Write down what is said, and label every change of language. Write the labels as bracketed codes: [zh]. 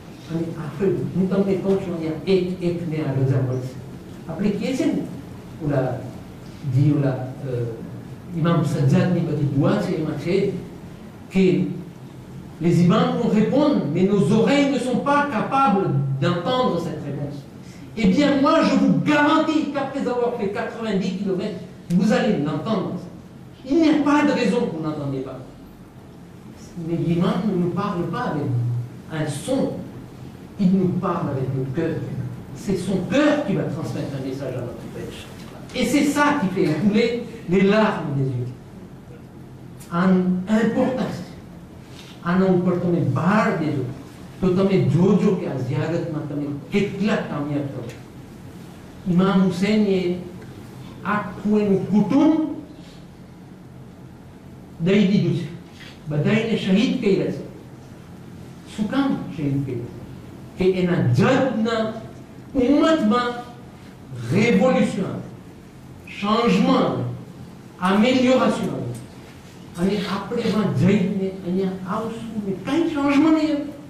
[gu] અને આખરે હું તમને કહું છું, અહીંયા એક એકને આ રજા મળશે. આપણે કહીએ છીએ ને ઓલા જી ઓલા ઇમામ સજ્જાદની બધી દુઆ છે, એમાં છે કે [fr] les imams nous répondent mais nos oreilles ne sont pas capables d'entendre cette réponse. Eh bien, moi, je vous garantis qu'après avoir fait 90 km, vous allez l'entendre. Il n'y a pas de raison que vous n'entendiez pas. Mais l'imam ne nous parle pas avec un son. Il nous parle avec le cœur. C'est son cœur qui va transmettre un message à notre pêche. Et c'est ça qui fait couler les larmes des yeux. En importance, en importance, barre des yeux. [gu] તો તમે જોજો કે આ ઝિયારતમાં તમે કેટલા કામયાબ થયો. ઇમામ હુસેનએ આખું એનું કુટુંબ દઈ દીધું છે, બધાને શહીદ કર્યા છે. શું કામ શહીદ કર્યા? કે એના જગના ઉમ્મતમાં રેવોલ્યુશન, ચેન્જમેન્ટ, અમેલિયોરેશન આવે અને આપણે એમાં જઈને અહીંયા આવશું ને કંઈ ચેન્જમેન્ટ નહીં.